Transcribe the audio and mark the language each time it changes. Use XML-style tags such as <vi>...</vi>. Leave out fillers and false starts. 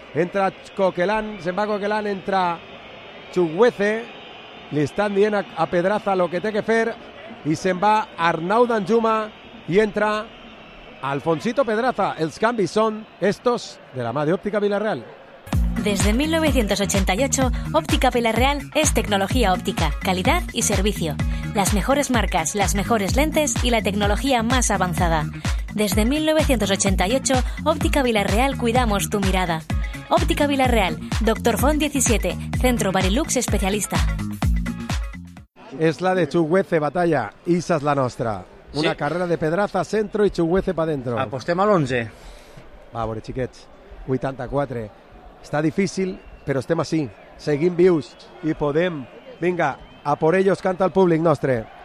<ca>Entra Coquelin, se'n va Coquelin, entra Chuguece. Li estan dient a Pedraza el que té que fer. I se'n va Arnau Danjuma i entra Alfonsito Pedraza. Els canvis són estos de la mà d'Òptica Villarreal.</ca> <es>Desde 1988, Óptica Villarreal es tecnología óptica, calidad y servicio. Las mejores marcas, las mejores lentes y la tecnología más avanzada. Desde 1988, Óptica Villarreal cuidamos tu mirada. Óptica Villarreal, Dr. Font 17, Centro Barilux Especialista. Es la de Chuguece Batalla, esa es la nuestra. Una sí. Carrera de Pedraza, centro y Chuguece para adentro. Apostemos al 11.</es> <ca>Va, pobre chiquets, 84. Està difícil, però estem així. Seguim vius i podem. Vinga,</ca> <es>a por ellos</es> <ca>canta el públic nostre.</ca>